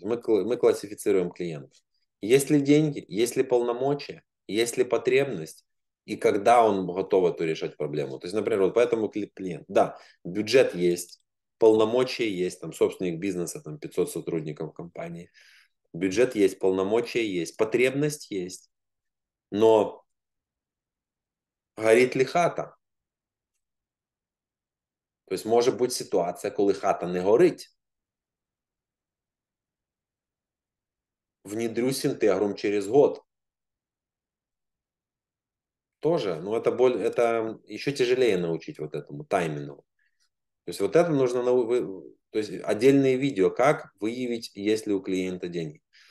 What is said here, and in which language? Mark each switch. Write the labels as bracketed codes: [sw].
[ru] Мы классифицируем клиентов. Есть ли деньги, есть ли полномочия, есть ли потребность, и когда он готов эту решать проблему. То есть, например, вот поэтому клиент, да, бюджет есть, полномочия есть, там, собственник бизнеса, там, 500 сотрудников компании. Бюджет есть, полномочия есть, потребность есть, но горит ли хата? [uk] То есть може бути ситуація, коли хата не горить. [ru] Внедрю Синтегрум через год. Тоже, ну это еще тяжелее научить вот этому таймингу. То есть вот это нужно научить. То есть отдельное видео, как выявить, есть ли у клиента деньги.